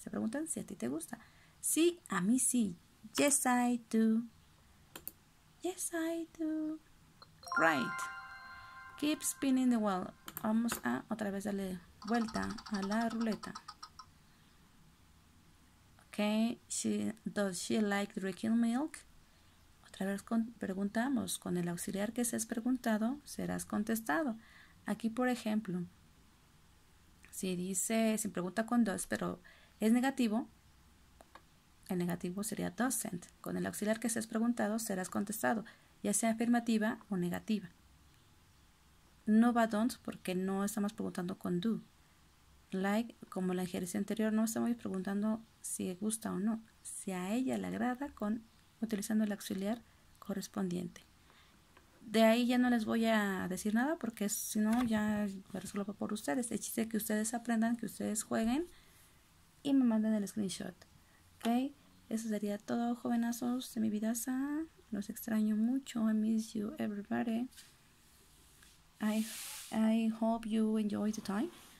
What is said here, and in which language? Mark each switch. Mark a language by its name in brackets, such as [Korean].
[Spanish] Te preguntan si a ti te gusta. Sí, a mí sí. [English] Yes, I do. Yes, I do. Right. Keep spinning the wheel. [Spanish] Vamos a otra vez darle vuelta a la ruleta. Okay. [English] Does she like drinking milk? [Spanish] Otra vez preguntamos. Con el auxiliar que se has preguntado, serás contestado. Aquí, por ejemplo, si pregunta con does, pero es negativo, el negativo sería doesn't. Con el auxiliar que se has preguntado, serás contestado, ya sea afirmativa o negativa. No va don't porque no estamos preguntando con do. Like, como la ejercicio anterior, no estamos preguntando si gusta o no. Si a ella le agrada, utilizando el auxiliar correspondiente. De ahí ya no les voy a decir nada porque si no ya me resuelvo por ustedes. El chiste es que ustedes aprendan, que ustedes jueguen y me manden el screenshot. ¿Ok? Eso sería todo, jovenazos de mi vidaza. Los extraño mucho. [English] I miss you, everybody. I hope you enjoy the time.